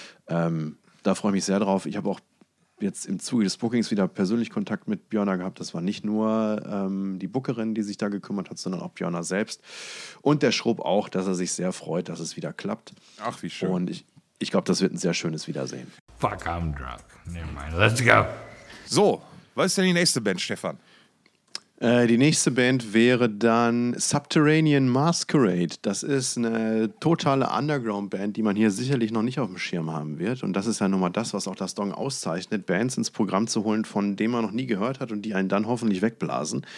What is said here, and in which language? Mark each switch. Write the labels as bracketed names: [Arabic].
[German] Da freue ich mich sehr drauf. Ich habe auch jetzt im Zuge des Bookings wieder persönlich Kontakt mit Bjørnar gehabt. Das war nicht nur die Bookerin, die sich da gekümmert hat, sondern auch Bjørnar selbst. Und der Schrub auch, dass er sich sehr freut, dass es wieder klappt. Ach, wie schön. Und ich glaube, das wird ein sehr schönes Wiedersehen. [English] Fuck, I'm drunk. Never mind. Let's go. [German] So, was ist denn die nächste Band, Stefan? Die nächste Band wäre dann Subterranean Masquerade. Das ist eine totale Underground-Band, die man hier sicherlich noch nicht auf dem Schirm haben wird. Und das ist ja nun mal das, was auch das Dong auszeichnet, Bands ins Programm zu holen, von denen man noch nie gehört hat und die einen dann hoffentlich wegblasen.